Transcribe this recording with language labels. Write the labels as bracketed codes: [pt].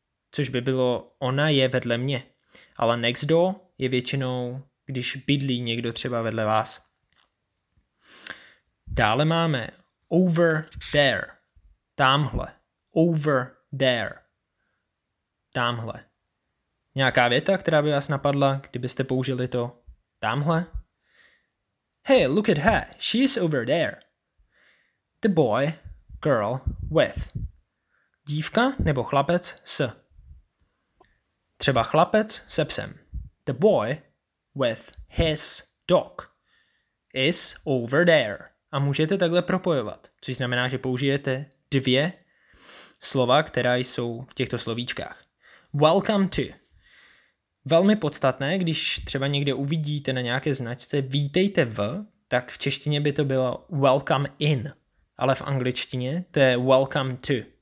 [cs] což by bylo ona je vedle mě. Ale [en] next door [cs] je většinou, když bydlí někdo třeba vedle vás. Dále máme [en] over there, [cs] tamhle, over there, tamhle. Nějaká věta, která by vás napadla, kdybyste použili to tamhle? [en] Hey, look at her, she is over there. The boy, girl, with. [cs] Dívka nebo chlapec s. Třeba chlapec se psem. [en] The boy with his dog is over there. [cs] A můžete takhle propojovat, což znamená, že použijete dvě slova, která jsou v těchto slovíčkách. [en] Welcome to. [cs] Velmi podstatné, když třeba někde uvidíte na nějaké značce vítejte v, tak v češtině by to bylo [en] welcome in, [cs] ale v angličtině to je [en] welcome to.